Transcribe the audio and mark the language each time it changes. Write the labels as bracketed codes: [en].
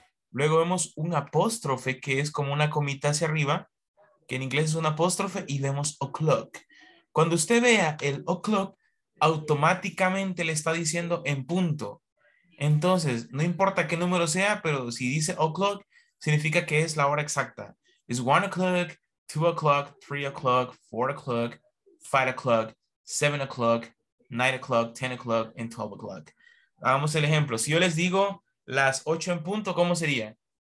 [es] Luego vemos un apóstrofe que es como una comita hacia arriba, que en inglés es un apóstrofe, y vemos o'clock. Cuando usted vea el o'clock, automáticamente le está diciendo en punto. Entonces, no importa qué número sea, pero si dice o'clock, significa que es la hora exacta. [en] It's 1 o'clock, 2 o'clock, 3 o'clock, 4 o'clock, 5 o'clock, 7 o'clock, 9 o'clock, 10 o'clock, and 12 o'clock. [es] Hagamos el ejemplo. Si yo les digo las 8 en punto, ¿cómo sería?